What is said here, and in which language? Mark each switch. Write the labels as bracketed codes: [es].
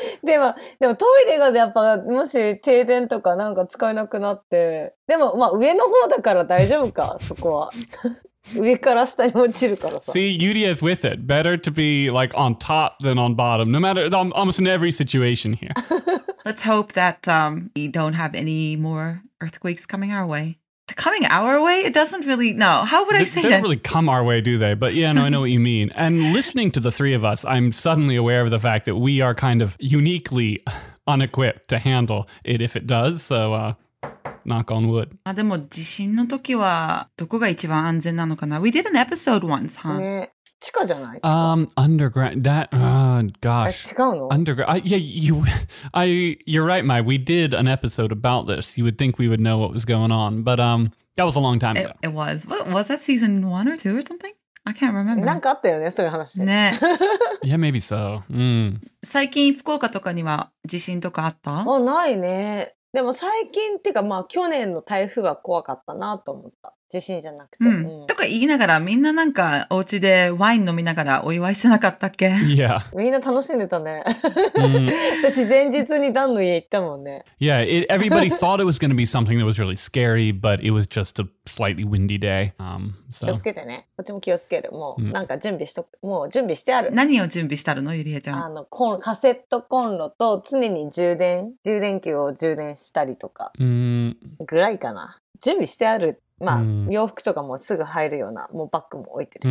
[ja] でもトイレがやっぱもし停電とかなんか使えなくなって、でもまあ上の方だから大丈夫かそこは。上から下に落ちるからさ。 [en] See, Yudia is with it. Better to be like on top than on bottom. No matter, almost in every situation here. Let's hope that we don't have any more earthquakes coming our way. Coming our way? It doesn't really, no. How would I say that? They don't really come our way, do they? But yeah, no, I know what you mean. And listening to the three of us, I'm suddenly aware of the fact that we are kind of uniquely unequipped to handle it if it does. So, knock on wood. [ja] あ、でも地震の時はどこが一番安全なのかな? [en] We did an episode once, huh? [ja] ね、地下じゃない?地 [en] 下。Underground. That, gosh. [ja] 違うの? [en] Underground. You're right, Mai. We did an episode about this. You would think we would know what was going on. But that was a long time ago. It was. Was that season one or two or something? I can't remember. [ja] なんかあったよね、そういう話。ね。 [en] Yeah, maybe so. [ja] 最近福岡とかには地震とかあった? あ、ないね。でも最近っていうかまあ去年の台風が怖かったなと思った地震じゃなくて、うん、とか言いながらみんななんかお家でワイン飲みながらお祝いしてなかったっけ、 [en] yeah. [ja] みんな楽しんでたね、mm. 私前日にダンの家行ったもんね [en] Yeah, everybody thought it was going to be something that was really scary but it was just a slightly windy day、so. [ja] 気をつけてねこっちも気をつけるもうなんか準備しとく、mm. もう準備してある何を準備してあるのゆりえちゃんあのカセットコンロと常に充電器を充電したりとか、 mm. ぐらいかな準備してあるまあ、mm. 洋服とかもすぐ入るような、もうバッグも置いてるし。